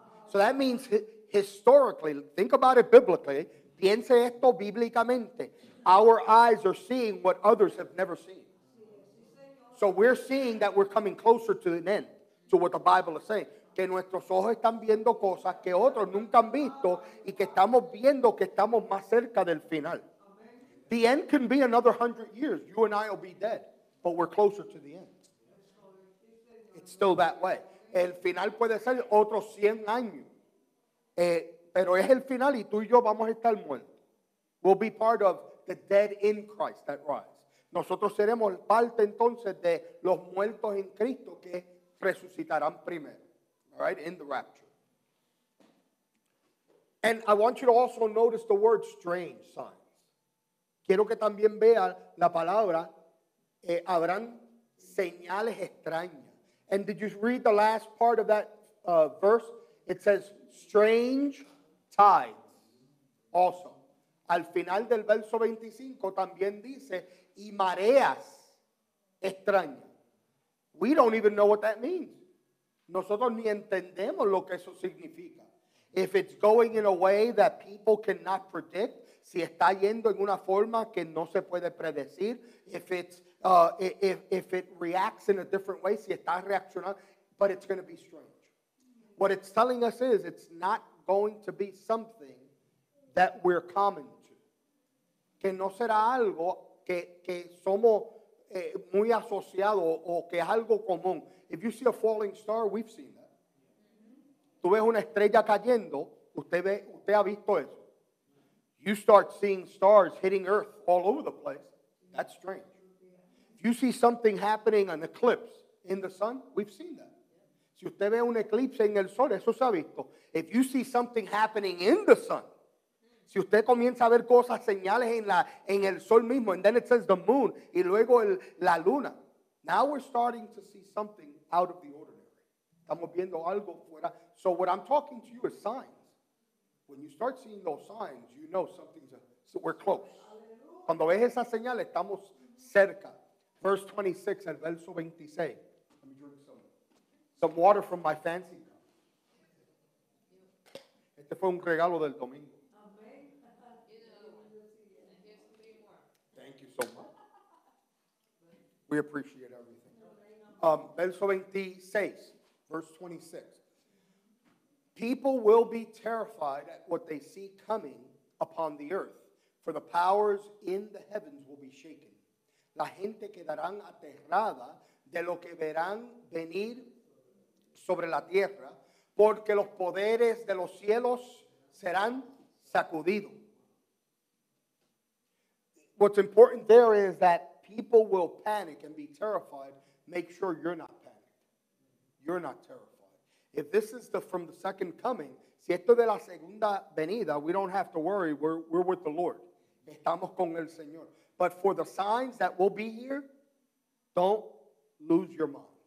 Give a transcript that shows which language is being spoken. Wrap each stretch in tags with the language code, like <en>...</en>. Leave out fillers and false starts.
<en>So that means historically, think about it biblically.</en> <es>Piense esto bíblicamente.</es> <en>Our eyes are seeing what others have never seen. So we're seeing that we're coming closer to an end, to what the Bible is saying.</en> <es>Que nuestros ojos están viendo cosas que otros nunca han visto y que estamos viendo que estamos más cerca del final.</es> <en>The end can be another 100 years. You and I will be dead, but we're closer to the end. It's still that way.</en> <es>El final puede ser otros 100 años. Pero es el final y tú y yo vamos a estar muertos.</es> <en>We'll be part of the dead in Christ that rise.</en> <es>Nosotros seremos parte entonces de los muertos en Cristo que resucitarán primero.</es> <en>All right, in the rapture. And I want you to also notice the word strange signs.</en> <es>Quiero que también vean la palabra, habrán señales extrañas.</es> <en>And did you read the last part of that verse? It says, strange tides.</en> <es>Also, al final del verso 25 también dice, y mareas extrañas.</es> <en>We don't even know what that means.</en> <es>Nosotros ni entendemos lo que eso significa.</es> <en>If it's going in a way that people cannot predict,</en> <es>si está yendo en una forma que no se puede predecir,</es> <en>if it reacts in a different way,</en> <es>si está reaccionando,</es> <en>but it's going to be strange. What it's telling us is it's not going to be something that we're common to.</en> <es>Que no será algo que somos muy asociado o que es algo común.</es> <en>If you see a falling star, we've seen that.</en> <es>Tú ves una estrella cayendo, usted ha visto eso.</es> <en>You start seeing stars hitting Earth all over the place. That's strange. You see something happening, an eclipse in the sun, we've seen that.</en> <es>Si usted ve un eclipse en el sol, eso se ha visto.</es> <en>If you see something happening in the sun,</en> <es>si usted comienza a ver cosas, señales en el sol mismo,</es> <en>and then it says the moon,</en> <es>y luego la luna.</es> <en>Now we're starting to see something out of the ordinary.</en> <es>Estamos viendo algo fuera.</es> <en>So what I'm talking to you is signs. When you start seeing those signs, you know something's up. So we're close.</en> <es>Cuando ves esas señales, estamos cerca.</es> <en>Verse 26,</en> <es>el verso 26.</es> <en>Let me drink some water from my fancy cup.</en> <es>Este fue un regalo del domingo.</es> <en>Thank you so much. We appreciate everything.</en> <es>Verso 26,</es> <en>verse 26. People will be terrified at what they see coming upon the earth, for the powers in the heavens will be shaken.</en> <es>La gente quedará aterrada de lo que verán venir sobre la tierra, porque los poderes de los cielos serán sacudidos.</es> <en>What's important there is that people will panic and be terrified. Make sure you're not panicked. You're not terrified. If this is from the second coming,</en> <es>si esto de la segunda venida,</es> <en>we don't have to worry. We're with the Lord.</en> <es>Estamos con el Señor.</es> <en>But for the signs that will be here, don't lose your mind.</en>